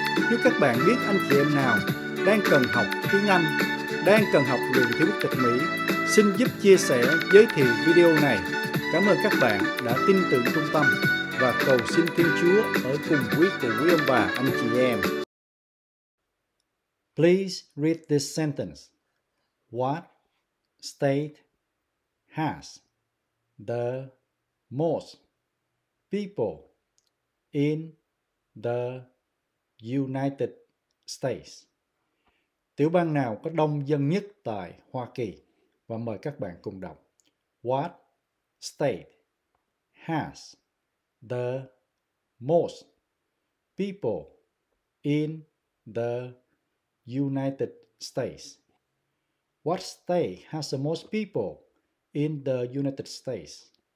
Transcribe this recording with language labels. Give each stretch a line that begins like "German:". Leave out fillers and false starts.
Vietnamese: Nếu các bạn biết anh chị em nào đang cần học tiếng Anh, đang cần học luyện tiếng Tịch Mỹ, xin giúp chia sẻ giới thiệu video này. Cảm ơn các bạn đã tin tưởng trung tâm và cầu xin Thiên Chúa ở cùng quý cụ quý ông bà anh chị em.
English: Please read this sentence. What state has the most people in the United States?
Vietnamese: Tiểu bang nào có đông dân nhất tại Hoa Kỳ? Và mời các bạn cùng đọc.
English: What state has the most people in the United States? What state has the most people in the United States?